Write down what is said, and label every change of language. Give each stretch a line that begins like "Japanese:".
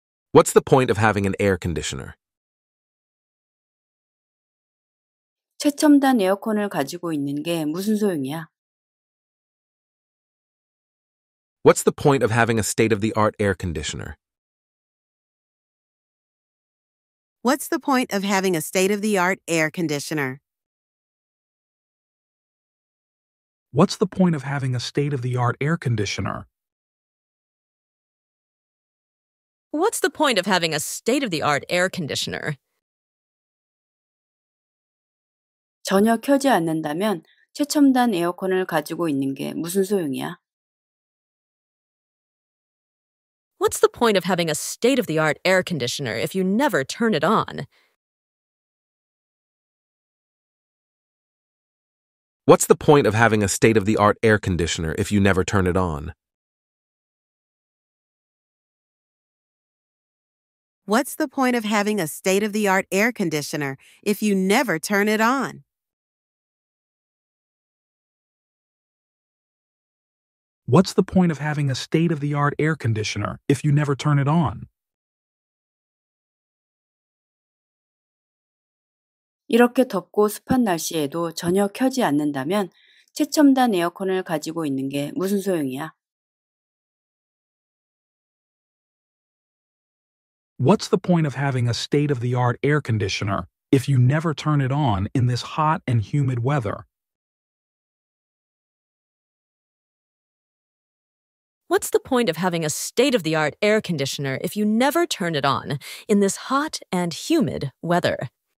English: What's the point of having an air conditioner?
Korean: 최첨단 에어컨을 가지고 있는 게 무슨 소용이야?
English: What's the point of having a state-of-the-art air conditioner? What's the point of having a state-of-the-art air conditioner? What's the point of having a state-of-the-art air conditioner? What's the point of having a state-of-the-art air conditioner?
Korean: 전혀 켜지 않는다면 최첨단 에어컨을 가지고 있는 게 무슨 소용이야?
English: What's the point of having a state-of-the-art air conditioner if you never turn it on? What's the point of having a state-of-the-art air conditioner if you never turn it on? What's the point of having a state-of-the-art air conditioner if you never turn it on? What's the point of having a state-of-the-art air conditioner if you never turn it on?
Korean: 이렇게 덥고 습한 날씨에도 전혀 켜지 않는다면 최첨단 에어컨을 가지고 있는 게 무슨 소용이야?
English: What's the point of having a state-of-the-art air conditioner if you never turn it on in this hot and humid weather? What's the point of having a state-of-the-art air conditioner if you never turn it on in this hot and humid weather?